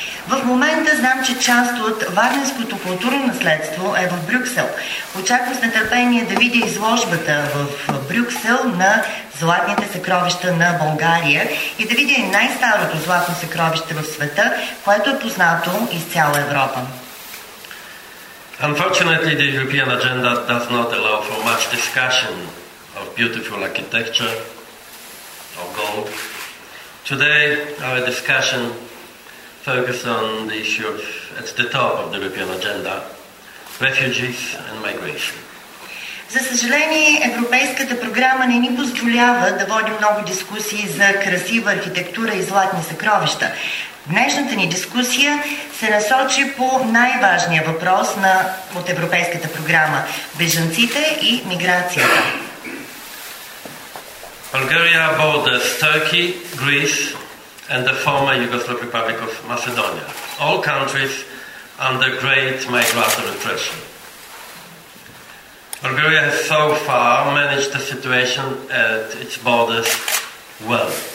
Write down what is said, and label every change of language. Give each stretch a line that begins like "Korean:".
Bulgarian: В момента знам, че част от варненското културно наследство е в Брюксел. Очаквам с нетърпение да видя изложбата в Брюксел на златните съкровища на България и да видя и най-старото златно съкровище в света, което е познато из цяла Европа.
English: Unfortunately, the European agenda does not allow for much discussion of beautiful architecture or gold. Today, our discussion focuses on the issue of, at the top of the European agenda, refugees and migration.
Bulgarian: За съжаление, Европейската програма не ни позволява да водим много дискусии за красива архитектура и златни съкровища. Днешната ни дискусия се насочи по най-важния въпрос от Европейската програма – бежанците и миграцията.
English: Bulgaria borders Turkey, Greece and the former Yugoslav Republic of Macedonia. All countries under great migratory pressure. Bulgaria has so far managed the situation at its borders well.